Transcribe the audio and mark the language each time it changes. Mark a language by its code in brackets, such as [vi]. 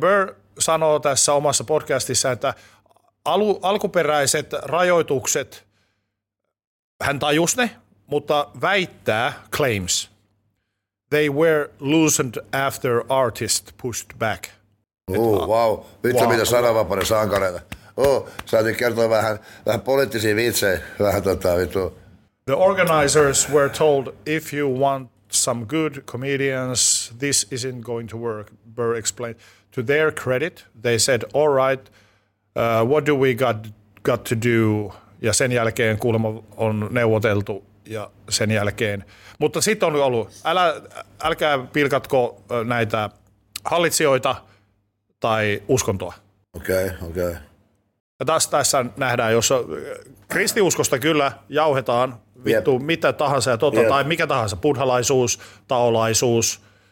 [fi] Burr sanoo tässä omassa podcastissa, että alkuperäiset rajoitukset, hän tajusi ne, mutta väittää claims. [en] They were loosened after artist pushed back. Wow. [fi] Vitsi, mitä sananvapauden sankareita. Saatiin kertoa vähän poliittisia vitsejä. [en] The organizers were told, if you want some good comedians, this isn't going to work, Burr explained. To their credit, they said, all right, what do we got to do? [fi] Ja sen jälkeen kuulemma on neuvoteltu ja sen jälkeen. Mutta sitten on ollut, älkää pilkatko näitä hallitsijoita tai uskontoa. Okei. Ja tässä nähdään, jos kristiuskosta kyllä jauhetaan vittu mitä tahansa ja tai mikä tahansa, buddhalaisuus, taolaisuus,